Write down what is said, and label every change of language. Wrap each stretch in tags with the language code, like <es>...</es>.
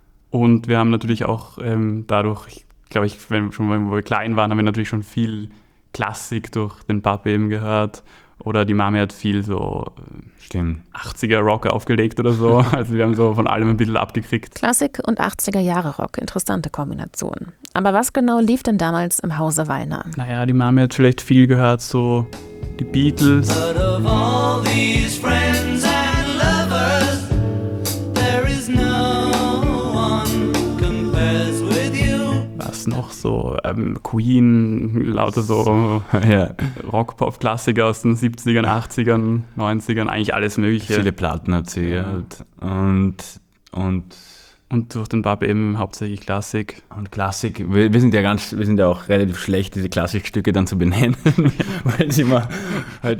<de>Und wir haben natürlich auch dadurch, wenn wir klein waren, haben wir natürlich schon viel Klassik durch den Papa eben gehört oder die Mami hat viel so 80er Rock aufgelegt oder so, also wir haben so von allem ein bisschen abgekriegt. Klassik und 80er Jahre Rock, interessante Kombination. Aber was genau lief denn damals im Hause Weiner? Naja, die Mami hat vielleicht viel gehört, so die Beatles.</de> <en>But of all these friends and lovers, there is no one compares with you.</en> <de>Was noch so? Queen, lauter so Rock-Pop-Klassiker aus den 70ern, 80ern, 90ern, eigentlich alles Mögliche. Viele Platten erzählt und durch den Bab eben hauptsächlich Klassik. Und Klassik, wir sind ja auch relativ schlecht, diese Klassikstücke dann zu benennen, weil sie immer halt</de>